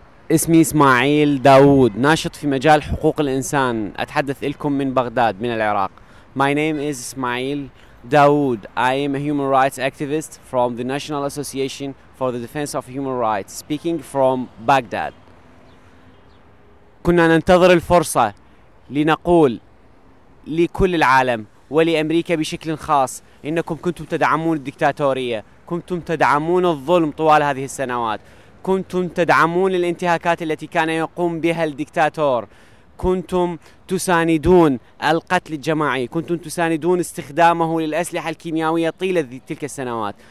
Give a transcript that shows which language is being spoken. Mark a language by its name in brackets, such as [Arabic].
[Arabic] اسمي اسماعيل داود، ناشط في مجال حقوق الانسان، اتحدث لكم من بغداد من العراق. [English] My name is اسماعيل داود. I am a human rights activist from the National Association for the Defense of Human Rights, speaking from Baghdad. [Arabic] كنا ننتظر الفرصة لنقول لكل العالم ولأمريكا بشكل خاص إنكم كنتم تدعمون الدكتاتورية، كنتم تدعمون الظلم طوال هذه السنوات، كنتم تدعمون الانتهاكات التي كان يقوم بها الدكتاتور، كنتم تساندون القتل الجماعي، كنتم تساندون استخدامه للأسلحة الكيميائية طيلة تلك السنوات.